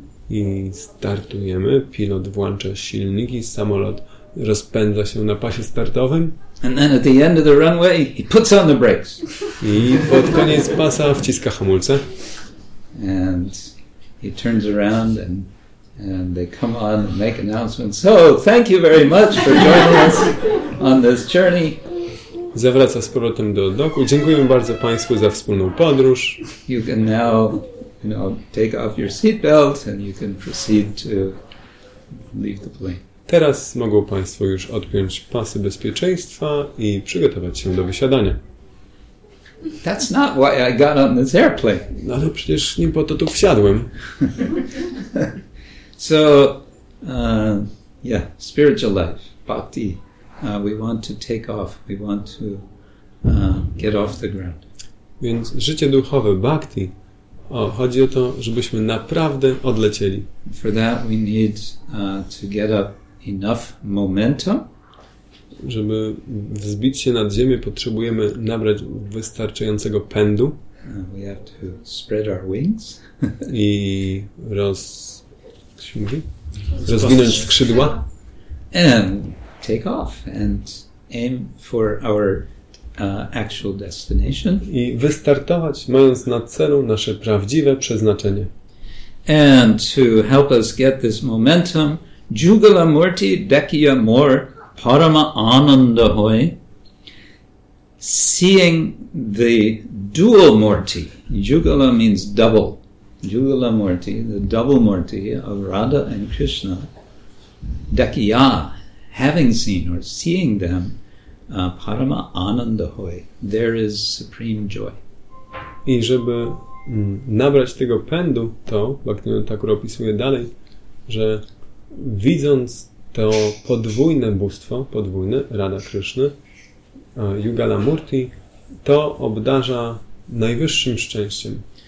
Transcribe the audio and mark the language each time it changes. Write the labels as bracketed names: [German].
[Polish] I startujemy, pilot włącza silniki, samolot rozpędza się na pasie startowym. [English] And then at the end of the runway, he puts on the brakes. [Polish] I pod koniec pasa wciska hamulce. [English] And he turns around and they come on and make announcements. So, thank you very much for joining us on this journey. [Polish] Zawraca z powrotem do doku. Dziękuję bardzo Państwu za wspólną podróż. [English] You can now, you know, take off your seatbelt and you can proceed to leave the plane. [Polish] Teraz mogą Państwo już odpiąć pasy bezpieczeństwa i przygotować się do wysiadania. [English] That's not why I got on this airplane. [Polish] No ale przecież nie po to tu wsiadłem. [English] So, yeah, spiritual life, bhakti. We want to take off, we want to get off the ground. [Polish] Więc życie duchowe, bhakti, chodzi o to, żebyśmy naprawdę odlecieli. [English] For that we need to get up enough momentum. [Polish] Żeby wzbić się nad ziemię, potrzebujemy nabrać wystarczającego pędu. [English] We have to spread our wings. [Polish] I rozwinąć skrzydła. [English] And take off and aim for our actual destination. [Polish] I wystartować, mając na celu nasze prawdziwe przeznaczenie. [English] And to help us get this momentum, [Bangla] Jugala Murti Dekiya Mor Parama Ananda Hoy, [English] seeing the dual Murti. Jugala means double. Jugala Murti, the double Murti of Radha and Krishna, Dekiya, having seen or seeing them, [Bangla] Parama Ananda Hoy, [English] there is supreme joy. [Polish] I żeby nabrać tego pędu, to Bhaktivinoda Thakura opisuje dalej, że widząc to podwójne bóstwo, podwójne Radha Krishna, Jugala Murti, to obdarza najwyższym szczęściem.